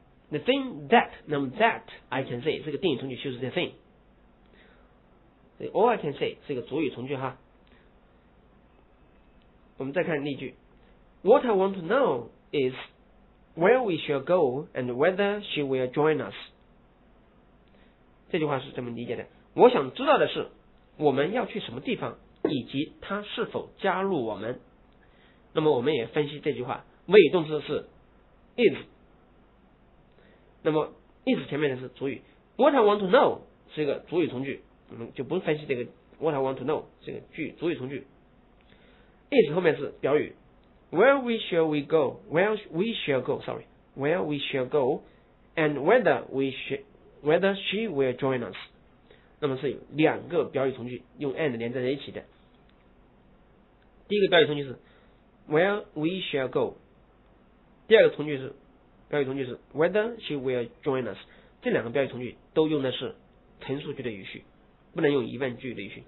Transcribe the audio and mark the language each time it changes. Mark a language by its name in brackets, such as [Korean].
[English] The thing that, [Chinese] 那么 [English] that I can say, [Chinese] 这个定语从句就是 [English] the thing. All I can say, [Chinese] 是一个主语从句哈。我们再看例句。 [English] What I want to know is where we shall go and whether she will join us. [Chinese] 这句话是这么理解的。我想知道的是我们要去什么地方以及她是否加入我们。那么我们也分析这句话。谓语动词是 is。那么 is 前面的是主语。 [English] What I want to know [Chinese] 是一个主语从句。我们就不分析这个 What I want to know 这个句主语从句。 [English] is [Chinese] 后面是表语。 [English] Where we shall we go? Where we shall go? Sorry, where we shall go, and whether we shall, whether she will join us. [Chinese] 那么是有两个表语从句，用 and 连在一起的。第一个表语从句是 [English] where we shall go. [Chinese] 第二个从句是表语从句是 [English] whether she will join us. [Chinese] 这两个表语从句都用的是陈述句的语序，不能用疑问句的语序。